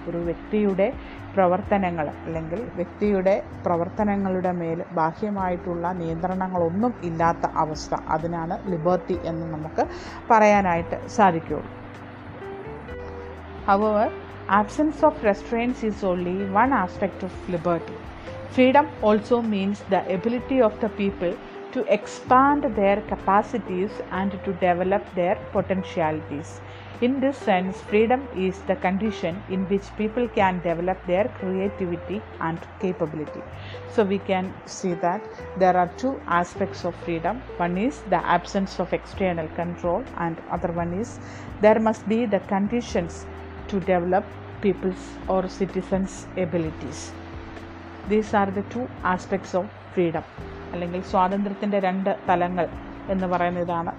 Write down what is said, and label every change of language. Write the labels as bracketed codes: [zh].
[ml] ഒരു വ്യക്തിയുടെ പ്രവർത്തനങ്ങൾ അല്ലെങ്കിൽ വ്യക്തിയുടെ പ്രവർത്തനങ്ങളുടെ മേൽ ബാഹ്യമായിട്ടുള്ള നിയന്ത്രണങ്ങളൊന്നും ഇല്ലാത്ത അവസ്ഥ, അതിനാണ് ലിബർട്ടി എന്ന് നമുക്ക് പറയാനായിട്ട് സാധിക്കുകയുള്ളൂ. [en] However, absence of restraints is only one aspect of liberty. Freedom also means the ability of the people to expand their capacities and to develop their potentialities. In this sense, freedom is the condition in which people can develop their creativity and capability. So we can see that there are two aspects of freedom. One is the absence of external control, and other one is there must be the conditions to develop people's or citizens' abilities. These are the two aspects of freedom. [ml] അല്ലെങ്കിൽ സ്വാതന്ത്ര്യത്തിൻ്റെ രണ്ട് തലങ്ങൾ എന്ന് പറയുന്ന ഇതാണ്.